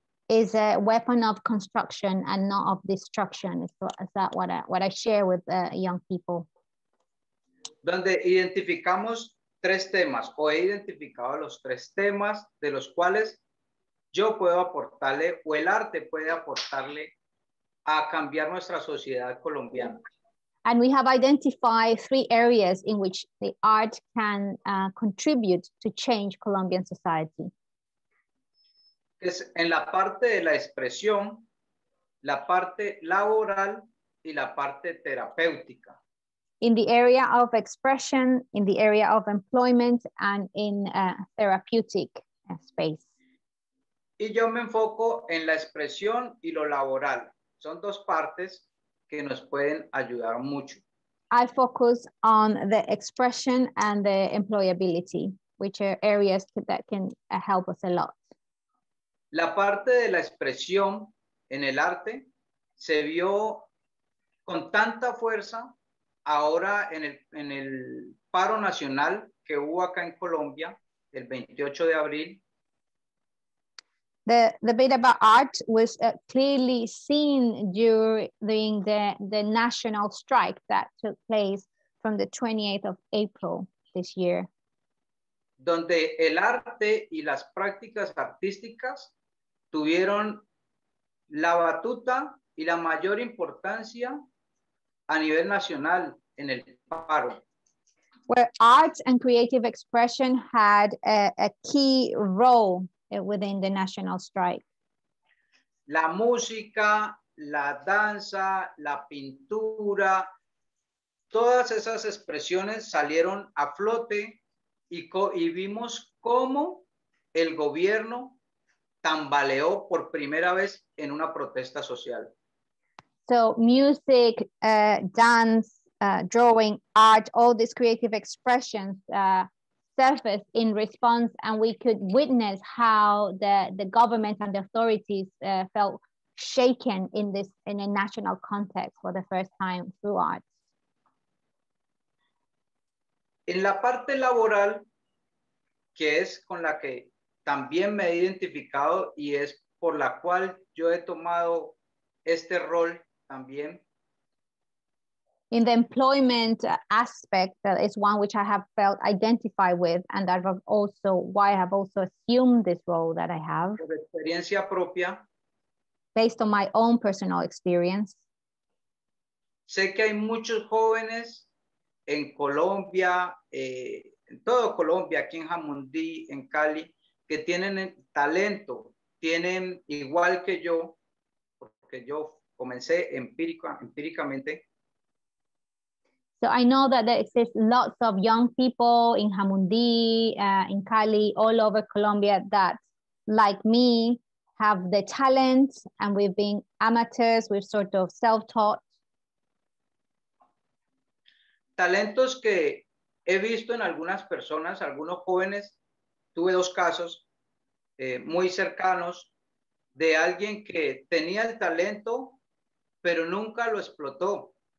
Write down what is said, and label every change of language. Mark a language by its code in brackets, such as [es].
[en] Is a weapon of construction and not of destruction. Is that what I share with young people? [es] Donde identificamos tres temas, o he identificado los tres temas de los cuales yo puedo aportarle, o el arte puede aportarle a cambiar nuestra sociedad colombiana. [en] And we have identified three areas in which the art can contribute to change Colombian society. [es] Es en la parte de la expresión, la parte laboral y la parte terapéutica. [en] In the area of expression, in the area of employment, and in a therapeutic space. [es] Y yo me enfoco en la expresión y lo laboral. Son dos partes que nos pueden ayudar mucho. [en] I focus on the expression and the employability, which are areas that can help us a lot. [es] La parte de la expresión en el arte se vio con tanta fuerza ahora en el paro nacional que hubo acá en Colombia el 28 de abril. [en] The bit about art was clearly seen during the national strike that took place from the 28th of April this year. [es] Donde el arte y las prácticas artísticas tuvieron la batuta y la mayor importancia a nivel nacional en el paro. [en] Where art and creative expression had a key role within the national strike. [es] La música, la danza, la pintura, todas esas expresiones salieron a flote y vimos cómo el gobierno tambaleó por primera vez en una protesta social. [en] So music, dance, drawing, art, all these creative expressions surfaced in response, and we could witness how the government and the authorities felt shaken in this in a national context for the first time through arts? [es] En la parte laboral, que es con la que también me he identificado y es por la cual yo he tomado este rol también. [en] In the employment aspect, that is one which I have felt identified with, and that was also why I have also assumed this role that I have. [es] Por experiencia propia. [en] Based on my own personal experience. [es] Sé que hay muchos jóvenes en Colombia, en todo Colombia, aquí en Jamundí, en Cali, que tienen talento, tienen igual que yo, porque yo comencé empíricamente. [en] So I know that there exists lots of young people in Jamundí, in Cali, all over Colombia that, like me, have the talent, and we've been amateurs, we've sort of self-taught. [es] Talentos que he visto en algunas personas, algunos jóvenes, tuve dos casos muy cercanos de alguien que tenía el talento, pero nunca lo explotó.